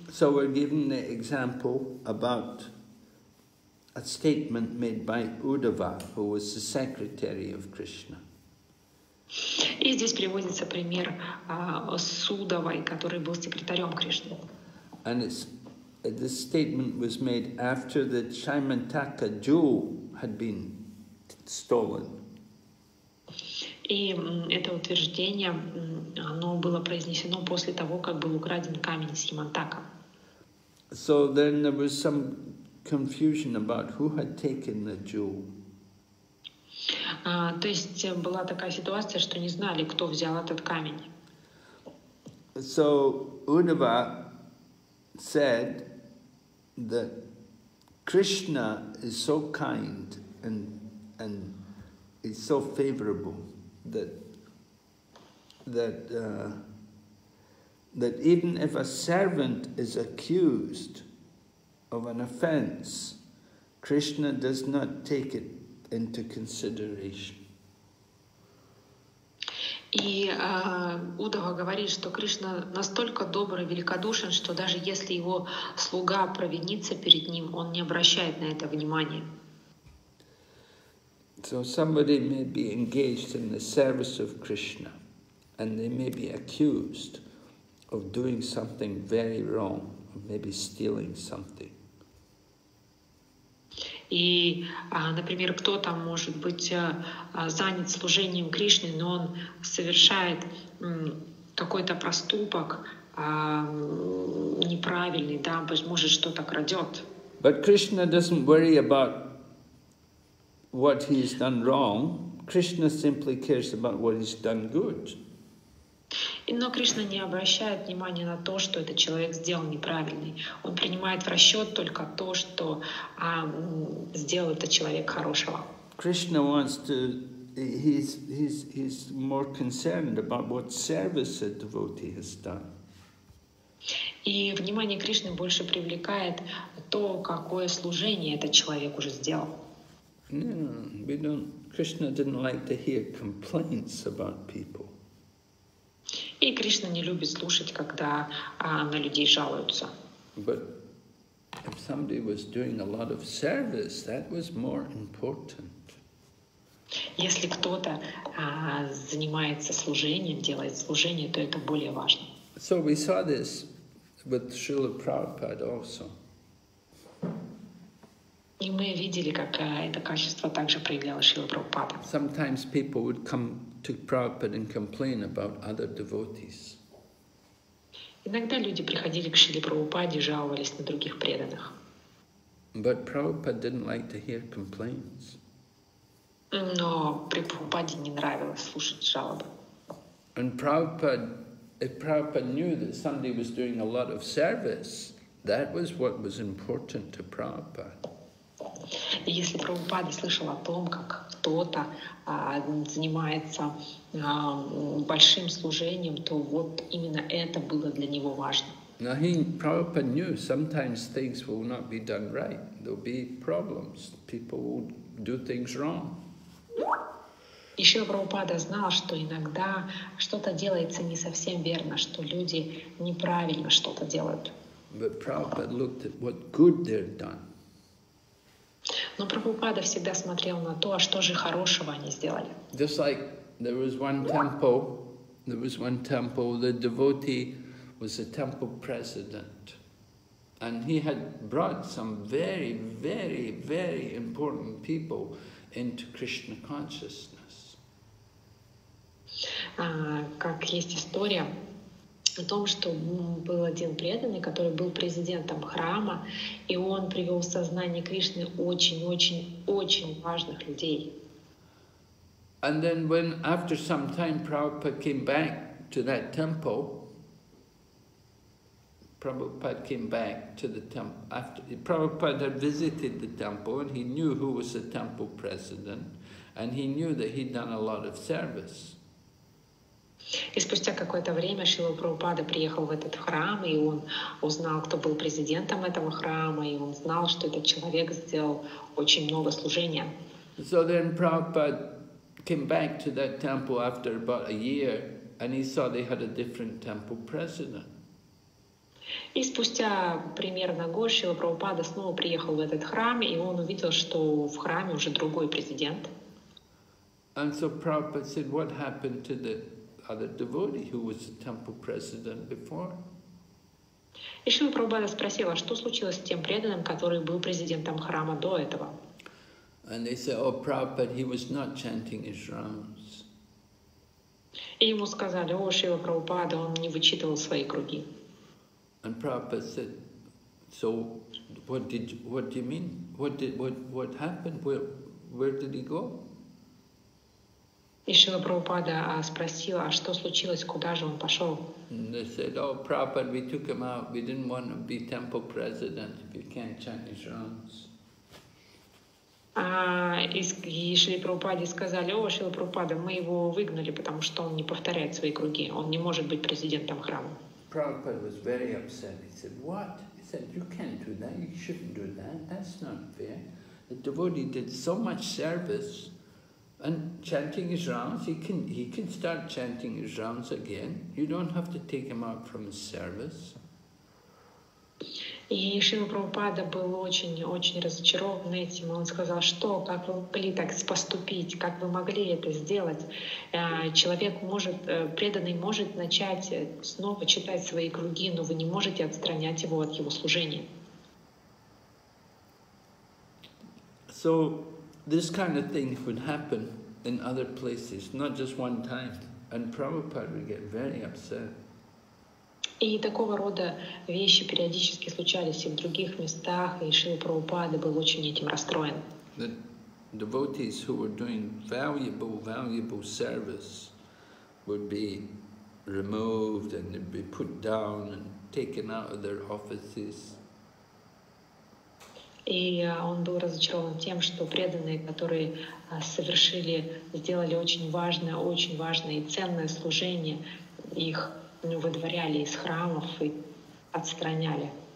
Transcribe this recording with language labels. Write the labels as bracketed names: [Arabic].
[English] So we're given the example about a statement made by Uddhava, who was the secretary of Krishna. [Russian] И здесь приводится пример с Удавой, который был секретарем Кришны. [English] And this statement was made after the Shyamantaka jewel had been stolen. [Russian] И это утверждение, оно было произнесено после того, как был украден камень с Ямантака. [English] So then there was some confusion about who had taken the jewel. [Russian] То есть была такая ситуация, что не знали, кто взял этот камень. [English] So Uddhava said that Krishna is so kind and is so favorable that even if a servant is accused of an offense, Krishna does not take it into consideration. [Russian] И Удава говорит, что Кришна настолько добр и великодушен, что даже если его слуга провинится перед ним, он не обращает на это внимания. [English] So somebody may be engaged in the service of Krishna, and they may be accused of doing something very wrong, maybe stealing something. [Russian] И, например, кто-то может быть занят служением Кришны, но он совершает какой-то проступок неправильный, да, может что-то крадет. [English] But Krishna doesn't worry about what he's done wrong. Krishna simply cares about what he's done good. [Russian] Но Кришна не обращает внимания на то, что этот человек сделал неправильный. Он принимает в расчет только то, что сделал этот человек хорошего. [English] Krishna wants to, he's more concerned about what service a devotee has done. [Russian] И внимание Кришны больше привлекает то, какое служение этот человек уже сделал. [English] Yeah, Krishna didn't like to hear complaints about people. [Russian] И Кришна не любит слушать, когда на людей жалуются. [English] But if somebody was doing a lot of service, that was more important. [Russian] Если кто-то занимается служением, делает служение, то это более важно. [English] So we saw this with Srila Prabhupada also. [Russian] И мы видели, как это качество также проявляло Шрила Прабхупада. [English] Sometimes people would come to Prabhupada and complain about other devotees. [Russian] Иногда люди приходили к Шриле Прабхупаде, жаловались на других преданных. [English] But Prabhupada didn't like to hear complaints. [Russian] Но Прабхупаде не нравилось слушать жалобы. [English] And if Prabhupada knew that somebody was doing a lot of service, that was what was important to Prabhupada. [Russian] И если Прабхупада слышал о том, как кто-то занимается большим служением, то вот именно это было для него важно. [English] Now he, Prabhupada knew sometimes things will not be done right. There'll be problems. People will do things wrong. [Russian] Еще Прабхупада знал, что иногда что-то делается не совсем верно, что люди неправильно что-то делают. [English] But Prabhupada looked at what good they're done. [Russian] Но Прабхупада всегда смотрел на то, а что же хорошего они сделали. [English] Just like there was one temple, the devotee was a temple president. And he had brought some very, very, very important people into Krishna consciousness. [Russian] Как есть история о том, что был один преданный, который был президентом храма, и он привел в сознание Кришны очень-очень-очень важных людей. [English] And then when after some time Prabhupada came back to that temple, Prabhupada had visited the temple, and he knew who was the temple president, and he knew that he'd done a lot of service. [Russian] И спустя какое-то время Шрила Прабхупада приехал в этот храм, и он узнал, кто был президентом этого храма, и он знал, что этот человек сделал очень много служения. [English] So then Prabhupada came back to that temple after about a year, and he saw they had a different temple president. [Russian] И спустя примерно год Шрила Прабхупада снова приехал в этот храм, и он увидел, что в храме уже другой президент. [English] And so Prabhupada said, what happened to the other devotee who was the temple president before? [Russian] И Шрила Прабхупада спросила, что случилось с тем преданным, который был президентом храма до этого? [English] And they said, oh, Prabhupada, he was not chanting his rounds. [Russian] И ему сказали, о, Шрила Прабхупада, он не вычитывал свои круги. [English] And Prabhupada said, so what happened? Where did he go? [Russian] И Шрила Прабхупада спросила, а что случилось, куда же он пошел? [English] And they said, oh, Prabhupada, we took him out. We didn't want to be temple president if you can't chant his rounds. [Russian] И Шри Прабхупаде сказали: о, Шри Прабхупада, мы его выгнали, потому что он не повторяет свои круги, он не может быть президентом храма. [English] Prabhupada was very upset. He said, what? He said, you can't do that, you shouldn't do that, that's not fair. The devotee did so much service and chanting his rounds, he can start chanting his rounds again. You don't have to take him out from his service. [Russian] И Шрила Прабхупада был очень-очень разочарован этим. Он сказал, что, как вы могли так поступить, как вы могли это сделать? Человек может, преданный может начать снова читать свои круги, но вы не можете отстранять его от его служения. [English] So, this kind of thing would happen in other places, not just one time. And Prabhupada would get very upset. [Russian] И такого рода вещи периодически случались и в других местах, и Шрила Прабхупада был очень этим расстроен. [English] The devotees who were doing valuable, valuable service would be removed and they'd be put down and taken out of their offices. [Russian] И он был разочарован тем, что преданные, которые совершили, сделали очень важное и ценное служение, их выдворяли из храмов и отстраняли.